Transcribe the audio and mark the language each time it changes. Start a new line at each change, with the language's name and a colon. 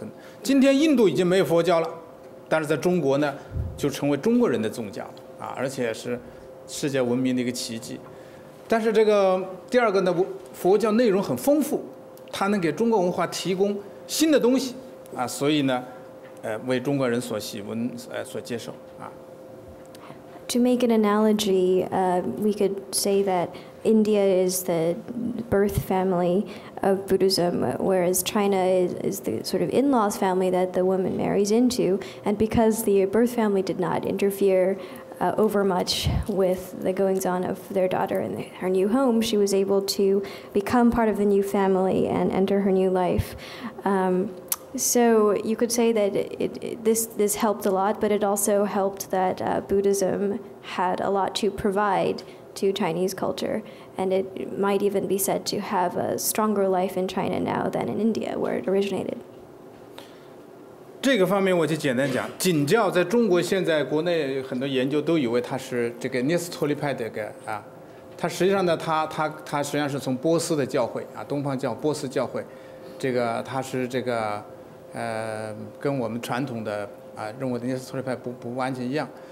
Chinese: 你看，我们发现，如果我们从一婆家或娘家来讲这个不同文化的关系，印度是婆家，佛家的婆家啊，这个婆家呢嫁的娘家，不是娘家啊，印度的这个女儿佛教嫁到了婆家中国，你看，对方又是这个娘家不干涉啊，文化输入不干涉，所以她能够圆融无碍的跟中国文化融合生存。今天印度已经没有佛教了。但是在中国呢，就成为中国人的宗教了啊，而且是世界文明的一个奇迹。但是这个第二个呢，佛教内容很丰富，它能给中国文化提供新的东西啊，所以呢，为中国人所喜闻所接受啊。
English: To make an analogy, we could say that India is the birth family of Buddhism, whereas China is the sort of in-laws family that the woman marries into. And because the birth family did not interfere over much with the goings-on of their daughter in her new home, she was able to become part of the new family and enter her new life. So you could say that this helped a lot, but it also helped that Buddhism had a lot to provide to Chinese culture, and it might even be said to have a stronger life in China now than in India, where it originated.
Chinese: 这个方面我就简单讲，景教在中国现在国内很多研究都以为它是这个涅斯托利派的一个啊，它实际上呢，它实际上是从波斯的教会啊，东方教波斯教会，这个它是这个跟我们传统的啊认为的涅斯托利派不完全一样。